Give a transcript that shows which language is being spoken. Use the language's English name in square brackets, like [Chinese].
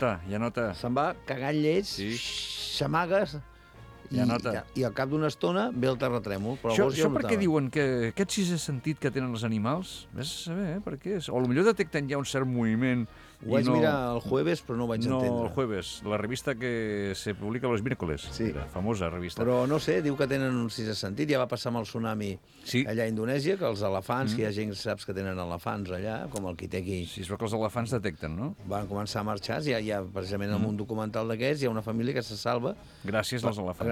[Catalan] Ja nota. Se'n va cagant lleig, s'amaga... Sí. I al cap d'una estona ve el terratrèmol. Però això ja per què diuen que aquest sisè sentit que tenen els animals? Ves a saber, per què és? O potser detecten ja un cert moviment... Ho vaig mirar el jueves, però no ho vaig entendre. [Spanish] No, el jueves, la revista que se publica los miércoles, [Catalan] sí. La famosa revista. Però no sé, diu que tenen un sisè sentit, ja va passar amb el tsunami allà a Indonèsia, que els elefants, que hi ha gent que saps que tenen elefants allà, com el Kiteki. Sí, és que els elefants detecten, no? Van començar a marxar, ja precisament en un documental d'aquests, hi ha una família que se salva. Gràcies als elefants.